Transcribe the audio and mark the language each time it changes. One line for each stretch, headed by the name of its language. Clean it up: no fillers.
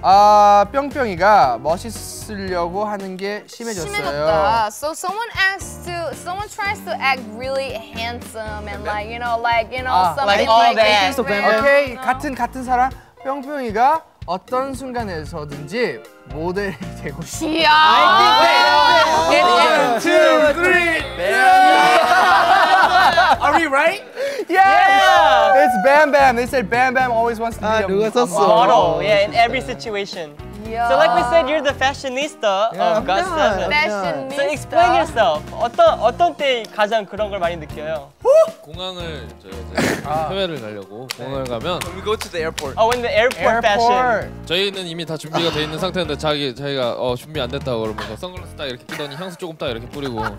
Korean: 아, 뿅뿅이가 멋있으려고 하는 게 심해졌어요. 심해졌다.
English: So someone asks to, someone tries to act really handsome and like, you know, like, you know,
Korean: 아,
English: somebody like all that. Okay, you know?
Korean: 같은 사람, 뿅뿅이가 어떤 순간에서든지 모델이 되고 싶어.
English: Yeah! One, two, three! Yeah! Are we right? Yeah! Yeah! It's Bam Bam. They said Bam Bam always wants to be a model. Yeah, in every situation. Yeah. So like we said, you're the fashionista of GOT7. Fashionista. So explain yourself.
Korean: 어떤 때 가장 그런 걸 많이 느껴요? 공항을 저희 해외를 가려고 공항을 가면.
English: When we go to the airport. Oh, when the airport fashion.
Korean: 저희는 이미 다 준비가 돼 있는 상태인데 자기가 준비 안 됐다고 그러면 뭐 선글라스 딱 이렇게 끼더니 향수 조금 딱 이렇게 뿌리고.